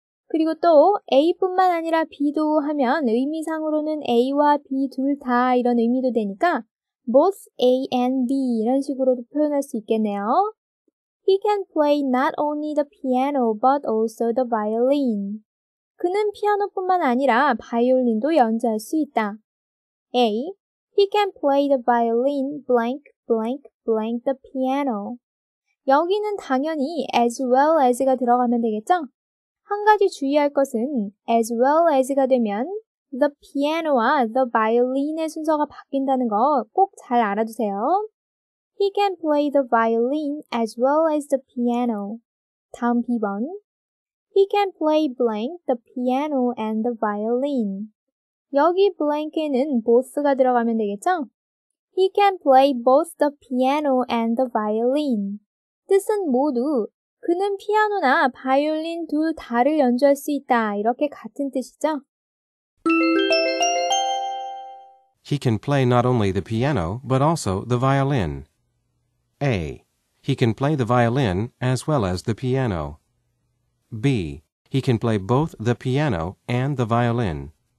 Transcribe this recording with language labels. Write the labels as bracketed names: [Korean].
[Korean] 그리고 또 A뿐만 아니라 B도 하면 의미상으로는 A와 B 둘 다 이런 의미도 되니까 [English] Both A and B [Korean] 이런 식으로도 표현할 수 있겠네요. [English] He can play not only the piano but also the violin. [Korean] 그는 피아노뿐만 아니라 바이올린도 연주할 수 있다. [English] A. He can play the violin blank blank blank the piano. [Korean] 여기는 당연히 as well as가 들어가면 되겠죠? 한 가지 주의할 것은 as well as가 되면 The piano와 the violin의 순서가 바뀐다는 거 꼭 잘 알아두세요. [English] He can play the violin as well as the piano. [Korean] 다음 2번. [English] He can play blank the piano and the violin. [Korean] 여기 blank에는 both가 들어가면 되겠죠? [English] He can play both the piano and the violin. [Korean] 뜻은 모두 그는 피아노나 바이올린 둘 다를 연주할 수 있다. 이렇게 같은 뜻이죠? [English] He can play not only the piano, but also the violin. A. He can play the violin as well as the piano. B. He can play both the piano and the violin.